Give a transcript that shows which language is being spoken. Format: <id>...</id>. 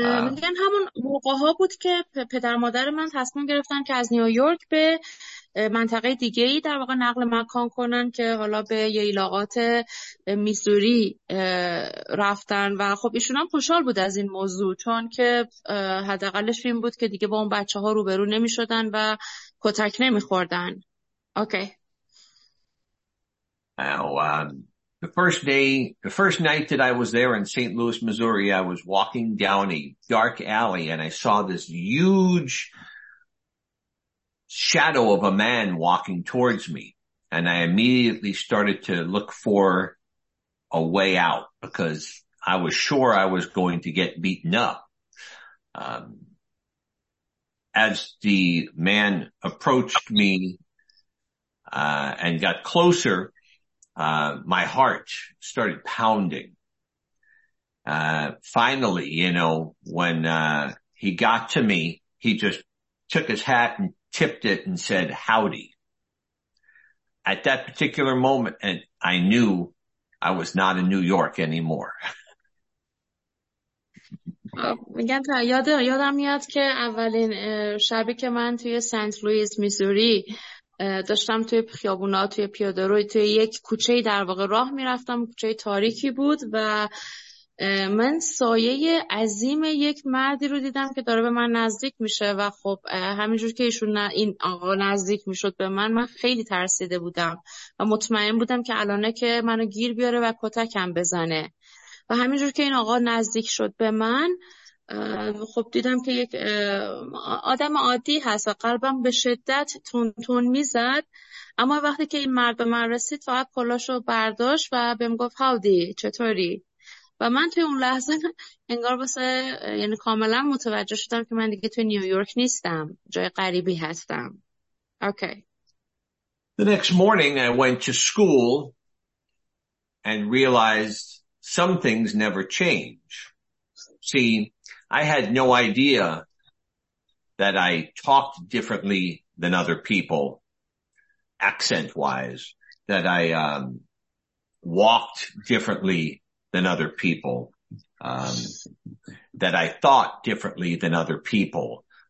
<fa>میگن همون موقع ها بود که پدر مادر من تصمیم گرفتن که از نیویورک به منطقه دیگه ای در واقع نقل مکان کنن که حالا به ایالات میسوری رفتن و خب ایشون هم خوشحال بود از این موضوع، چون که حداقلش این بود که دیگه با اون بچه ها روبرو نمی شدن و کتک نمی خوردن.</fa> <en>Okay. The first night that I was there in St. Louis, Missouri, I was walking down a dark alley and I saw this huge shadow of a man walking towards me. And I immediately started to look for a way out because I was sure I was going to get beaten up. As the man approached me, and got closer, my heart started pounding. Finally, you know, when he got to me, he just took his hat and tipped it and said, "Howdy." At that particular moment, and I knew I was not in New York anymore.</en> <fa>میگن یادم میاد که اولین شبی که من توی سنت لوئیس میسوری داشتم توی خیابونا توی پیاده روی توی یک کوچه در واقع راه میرفتم، کوچه تاریکی بود و من سایه عظیم یک مردی رو دیدم که داره به من نزدیک میشه و خب همینجور که ایشون این آقا نزدیک میشد به من، من خیلی ترسیده بودم و مطمئن بودم که الانه که منو گیر بیاره و کتکم بزنه و همینجور که این آقا نزدیک شد به من، خب دیدم که یک آدم عادی هست و قلبم به شدت تون تون می زد. اما وقتی که این مرد به من رسید فقط کلاشو برداشت و بهم گفت هاودی چطوری؟ و من توی اون لحظه انگار واسه یعنی کاملا متوجه شدم که من دیگه توی نیویورک نیستم، جای غریبی هستم.</fa> <en>Okay. The next morning I went to school and realized some things never change. See, I had no idea that I talked differently than other people, accent-wise, that I walked differently than other people, that I thought differently than other people.</en>